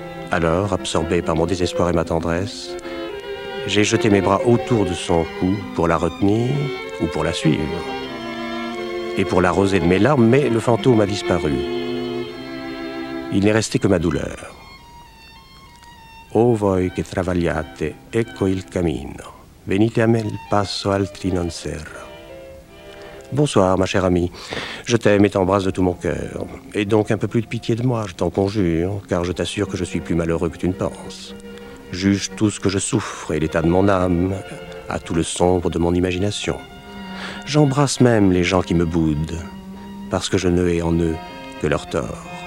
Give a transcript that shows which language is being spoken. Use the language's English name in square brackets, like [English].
[French] Alors, absorbé par mon désespoir et ma tendresse, j'ai jeté mes bras autour de son cou pour la retenir ou pour la suivre et pour l'arroser de mes larmes, mais le fantôme a disparu. Il n'est resté que ma douleur. [Italian] « O voi che travagliate, ecco il cammino. Venite a me, il passo altri non serra. » [French] Bonsoir, ma chère amie. Je t'aime et t'embrasse de tout mon cœur. Et donc un peu plus de pitié de moi, je t'en conjure, car je t'assure que je suis plus malheureux que tu ne penses. Juge tout ce que je souffre et l'état de mon âme à tout le sombre de mon imagination. J'embrasse même les gens qui me boudent, parce que je ne hais en eux que leur tort.